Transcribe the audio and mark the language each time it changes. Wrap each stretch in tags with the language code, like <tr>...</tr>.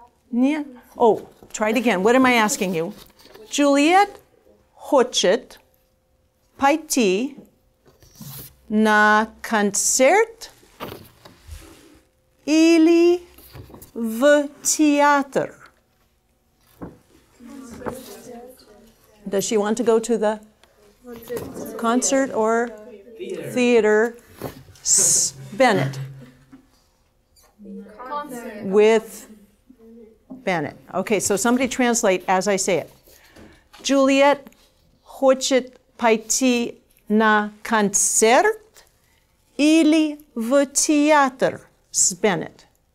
<ru>Нет.</ru> <en>Oh, try it again. What am I asking you?</en> <ru>Juliet хочет пойти на концерт или в театр?</ru> <en>Does she want to go to the concert or theater? Bennett. Concert. With Bennett. Okay, so somebody translate as I say it.</en> <ru>Juliet хочет пойти на концерт или в театр с Bennett.</ru>